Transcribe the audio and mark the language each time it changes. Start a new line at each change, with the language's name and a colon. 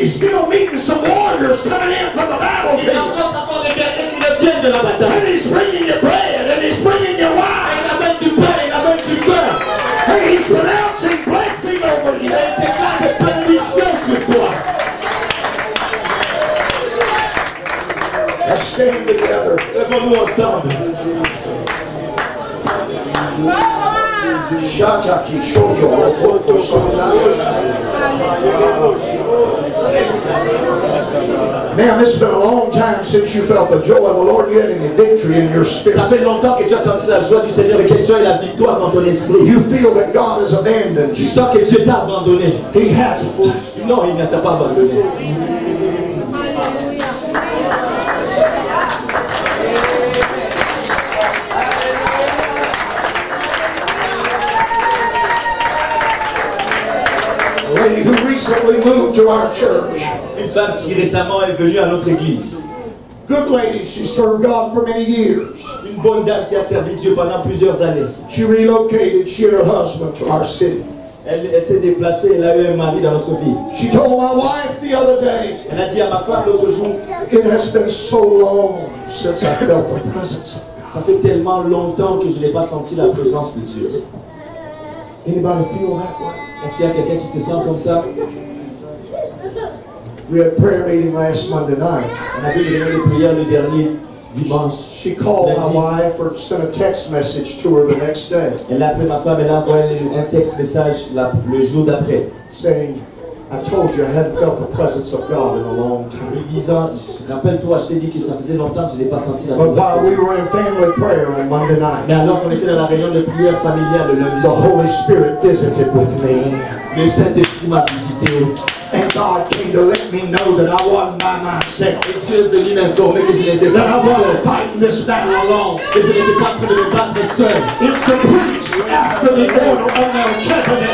English: He's still meeting some warriors coming in from the battlefield.
French: Il rencontre encore des guerriers qui reviennent de la bataille.
English: And he's bringing your bread, and he's bringing your wine.
French: Il amène du pain, il amène du vin.
English: And he's pronouncing blessing over you.
French: Il déclare des bénédictions sur toi.
English: Stand together.
French: Levons-nous ensemble. Shata ki shojo foto shonda.
English: Man, it's been a long time since you felt the joy of the Lord getting a victory in your spirit.
French: Ça fait longtemps que tu as senti la joie du Seigneur et que tu as eu la victoire dans ton esprit.
English: You feel that God has abandoned you.
French: Tu sens que Dieu t'a abandonné.
English: He hasn't.
French: Non, il ne t'a pas abandonné.
English: Who recently moved to our church.
French: Une femme qui récemment est venue à notre église.
English: Good lady, she served God for many years.
French: Une bonne dame qui a servi Dieu pendant plusieurs années.
English: She relocated, she and her husband to our city.
French: Elle s'est déplacée, elle a eu un mari dans notre vie.
English: She told my wife the other day,
French: elle a dit à ma femme l'autre jour,
English: it has been so long since I felt the presence of God.
French: Ça fait tellement longtemps que je n'ai pas senti la présence de Dieu.
English: Anybody feel that way?
French: Est-ce qu'il y a quelqu'un qui se sent comme ça?
English: We had prayer meeting last Monday night.
French: On a eu une réunion de prière le dernier Dimanche.
English: She called my wife or sent a text message to her the next day.
French: Elle a appelé ma femme et l'a envoyé un texte message le jour d'après.
English: Saying, I told you I hadn't felt the presence of God in a long time.
French: Disant, rappelle-toi, je t'ai dit que ça faisait longtemps que je n'ai pas senti la présence.
English: But while we were in family prayer on Monday night,
French: mais alors qu'on était dans la réunion de prière familiale le lundi,
English: the Holy Spirit visited with me.
French: Le Saint-Esprit m'a visité.
English: And God came to let me know that I wasn't by myself.
French: Et Dieu est venu m'informer que je n'étais pas
English: seul. That I wasn't fighting this battle alone.
French: Que je n'étais pas pour me battre seul.
English: It's the priest after the order of Melchezidec.